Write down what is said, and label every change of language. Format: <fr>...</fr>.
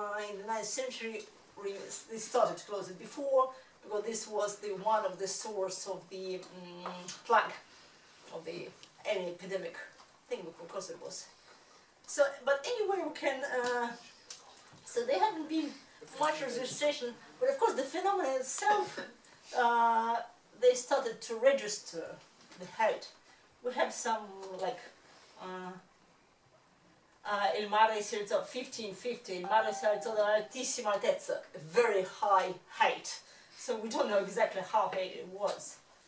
<en>In the 9th century, they started to close it before, because this was the one of the source of the plague, of the any epidemic thing, because it was. So, but anyway, we can, so there hadn't been much registration, but of course the phenomenon itself, they started to register the height. We have some, like,</en> <it>Il mare si alzò 1550, il mare si alzò da altissima altezza,</it> <en>a very high height. So we don't know exactly how high it was.</en>